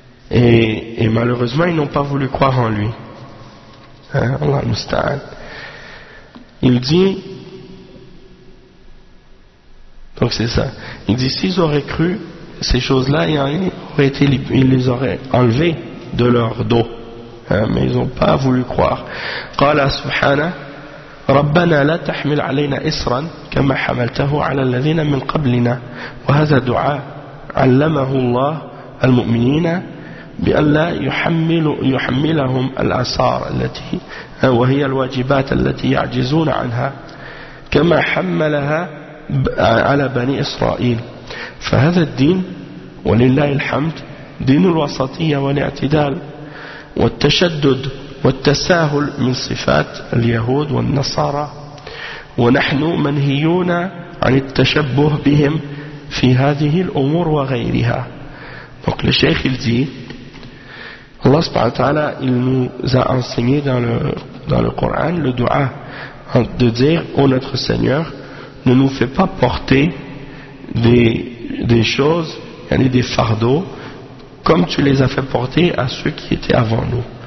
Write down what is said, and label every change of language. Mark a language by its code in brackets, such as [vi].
[fr] Et malheureusement, ils n'ont pas voulu croire en lui. Allah musta'an. Il dit, donc c'est ça, il dit, s'ils auraient cru ces choses-là, ils les auraient enlevées de leur dos. Mais ils n'ont pas voulu croire. [ar] قال سبحانه ربنا لا تحمل علينا إسرا كما حملته على الذين من قبلنا وهذا دعاء علمه الله المؤمنين بأن لا يحملهم الأسار التي وهي الواجبات التي يعجزون عنها كما حملها على بني إسرائيل. فهذا الدين ولله الحمد دين الوسطية والاعتدال والتشدد والتساهل من صفات اليهود والنصارى، ونحن منهيون عن التشبه بهم في هذه الأمور وغيرها. [fr] Donc le cheikh il dit, Allah subhanahu wa ta'ala, il nous a enseigné dans le Coran le dua de dire ô notre Seigneur, ne nous fais pas porter des choses, yani des fardeaux, comme tu les as fait porter à ceux qui étaient avant nous.